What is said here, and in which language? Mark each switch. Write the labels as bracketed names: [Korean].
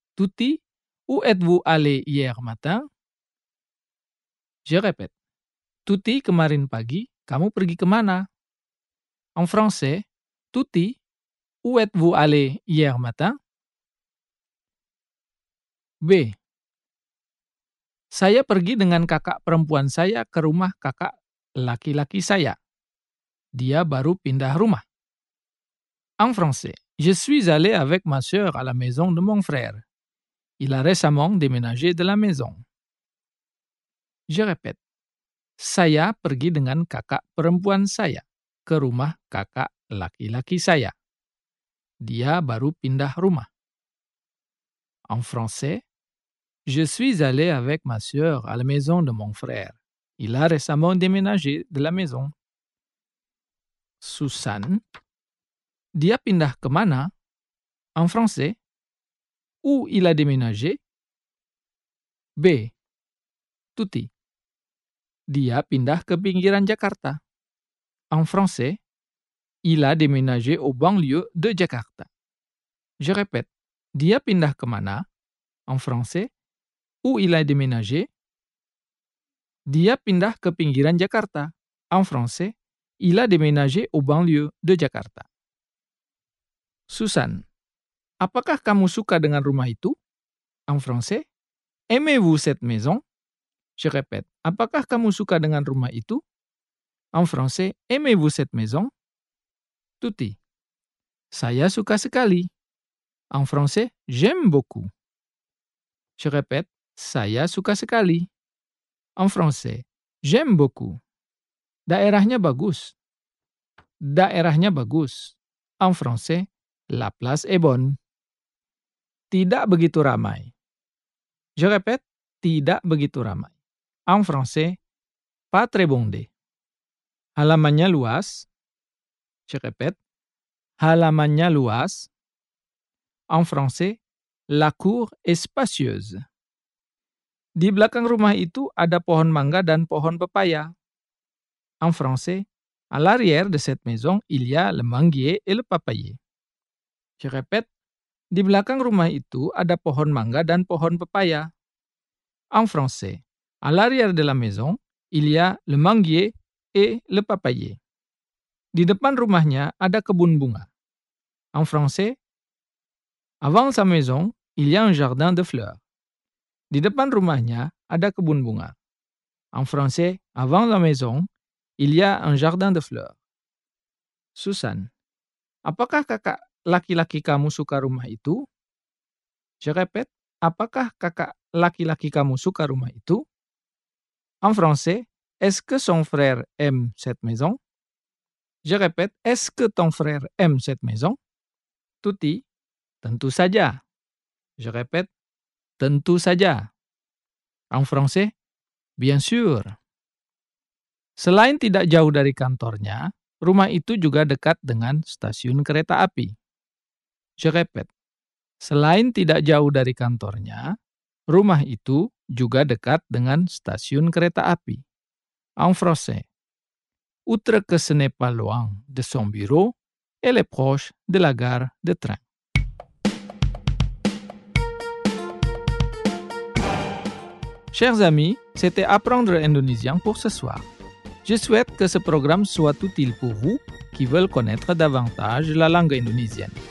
[French] Tuti, où êtes-vous allé hier matin? Je répète. Tuti, [Indonesian] kemarin pagi, kamu pergi kemana? [French] En français, Tuti, où êtes-vous allé hier matin? B. [Indonesian] Saya pergi dengan kakak perempuan saya ke rumah kakak laki-laki saya. Dia baru pindah rumah. [French] En français, je suis allé avec ma sœur à la maison de mon frère. Il a récemment déménagé de la maison. Je répète. [Indonesian] Saya pergi dengan kakak perempuan saya ke rumah kakak laki-laki saya. Dia baru pindah rumah. [French] En français, je suis allé avec ma sœur à la maison de mon frère. Il a récemment déménagé de la maison. Suzanne, [Indonesian] dia pindah ke mana? [French] En français, où il a déménagé? B. Tuti. [Indonesian] Dia pindah ke pinggiran Jakarta. [French] En français, il a déménagé au banlieue de Jakarta. Je répète, [Indonesian] dia pindah ke mana? [French] En français, où il a déménagé? [Indonesian] Dia pindah ke pinggiran Jakarta. [French] En français, il a déménagé au banlieue de Jakarta. [Indonesian] Suzanne, apakah kamu suka dengan rumah itu? [French] En français, aimez-vous cette maison? Je répète, [Indonesian] apakah kamu suka dengan rumah itu? [French] En français, aimez-vous cette maison? Tuti, [Indonesian] saya suka sekali. [French] En français, j'aime beaucoup. Je répète, [Indonesian] saya suka sekali. [French] En français, j'aime beaucoup. [Indonesian] Daerahnya bagus. Daerahnya bagus. [French] En français, la place est bonne. [Indonesian] Tidak begitu ramai. [French] Je répète, [Indonesian] tidak begitu ramai. [French] En français, pas très bondé. [Indonesian] Halamannya luas. [French] Je répète, [Indonesian] halamannya luas. [French] En français, la cour est spacieuse. [Indonesian] Di belakang rumah itu ada pohon mangga dan pohon pepaya. [French] En français, à l'arrière de cette maison, il y a le manguier et le papayer. Je répète, [Indonesian] di belakang rumah itu ada pohon mangga dan pohon pepaya. [French] en français. À l'arrière de la maison, il y a le manguier et le papayer. [Indonesian] Di depan rumahnya ada kebun bunga. [French] En français, avant sa maison, il y a un jardin de fleurs. [Indonesian] Di depan rumahnya ada kebun bunga. [French] En français, avant la maison, il y a un jardin de fleurs. [Indonesian] Susan, apakah kakak laki-laki kamu suka rumah itu? [French] Je répète, [Indonesian] apakah kakak laki-laki kamu suka rumah itu? [French] En français, est-ce que son frère aime cette maison? Je répète, est-ce que ton frère aime cette maison? [Indonesian] Tuti, tentu saja. [French] Je répète, [Indonesian] tentu saja. [French] En français, bien sûr. [Indonesian] Selain tidak jauh dari kantornya, rumah itu juga dekat dengan stasiun kereta api. [French] Je répète, [Indonesian] selain tidak jauh dari kantornya, rumah itu juga dekat dengan stasiun kereta api. [French] En français, outre que ce n'est pas loin de son bureau, elle est proche de la gare de train. Chers amis, c'était Apprendre l'indonésien pour ce soir. Je souhaite que ce programme soit utile pour vous qui veulent connaître davantage la langue indonésienne.